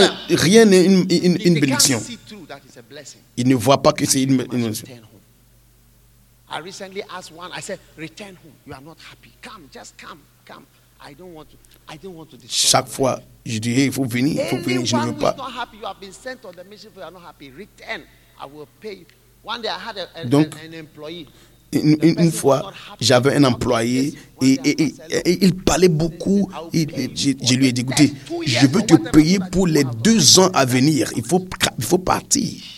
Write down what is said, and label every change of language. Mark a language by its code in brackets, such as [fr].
[fr] rien n'est une bénédiction. Il ne voit pas que c'est une bénédiction. [en] I recently asked one. I said, "Return home. You are not happy. Come, just come, come. I don't want to disturb." [fr] Chaque fois, je dis, "Hey, faut venir, faut venir. Je ne veux pas." [en] Anyone who is not happy, you have been sent on the mission. You are not happy. Return. I will pay you. One day, I had an employee. [fr] Une fois, j'avais un employé et il parlait beaucoup. Je lui ai dit, "Écoutez, je veux te payer pour les 2 ans à venir. Il faut partir."